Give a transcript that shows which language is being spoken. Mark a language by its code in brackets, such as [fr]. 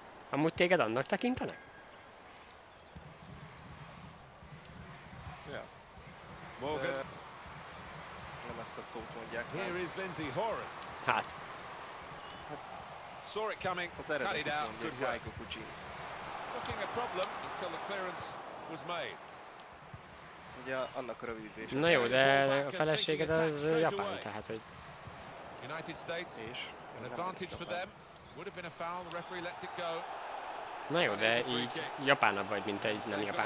[hu] Amúgy téged annak tekintenek? Morgan. Nem ezt a szót mondják. Nem. [en] Here is Lindsay Horan. [hu] Hát. [en] Saw it coming. [hu] Az eredetit mondják, Gokuji. [en] Looking a problem until the clearance was made. [hu] Ugye annak a rövidítés. Na jó, de a feleséged az japán, tehát hogy. [en] United States. [hu] És. [en] An advantage for them. Would have been a foul. The referee lets it go. [hu] Na jó, de így japánabb vagy, mint egy nem japán.